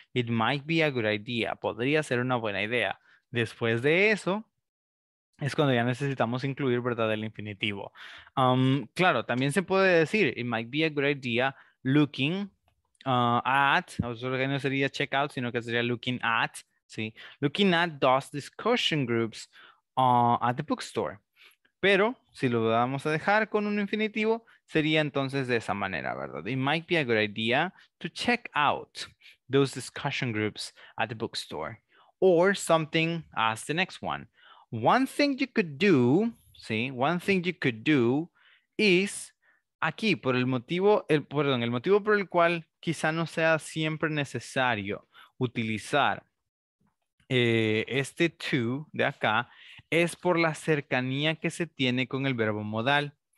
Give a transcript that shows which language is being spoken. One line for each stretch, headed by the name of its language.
English: It might be a good idea.
Spanish: Podría ser una buena idea. Después de eso, es cuando ya necesitamos incluir, ¿verdad?, el infinitivo. Claro, también se puede decir,
English: it might be a good idea looking at,
Spanish: o sea, no sería check out, sino que sería looking at, ¿sí?
English: Looking at those discussion groups at the bookstore.
Spanish: Pero si lo vamos a dejar con un infinitivo, sería entonces de esa manera, ¿verdad?
English: It might be a good idea to check out those discussion groups at the bookstore. Or something as the next one. One thing you could do, see, one thing you could do
Spanish: is, aquí, por el motivo, el, perdón, el motivo por el cual quizá no sea siempre necesario utilizar este to de acá, es por la cercanía que se tiene con el verbo modal.